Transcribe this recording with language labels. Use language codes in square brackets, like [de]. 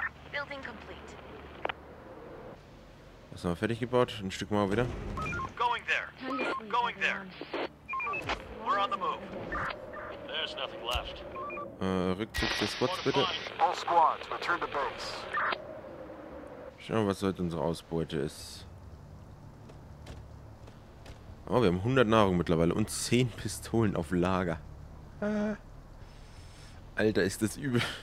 [en] Building complete. [de] Das haben wir fertig gebaut. Ein Stück Mauer wieder. [en] Going there. Going there. We're on the move. There's nothing left. [de] Rückzug des Squads bitte. [en] All squads, return to base. [de] Schauen wir, was heute unsere Ausbeute ist. Oh, wir haben 100 Nahrung mittlerweile und 10 Pistolen auf Lager. Alter, ist das übel.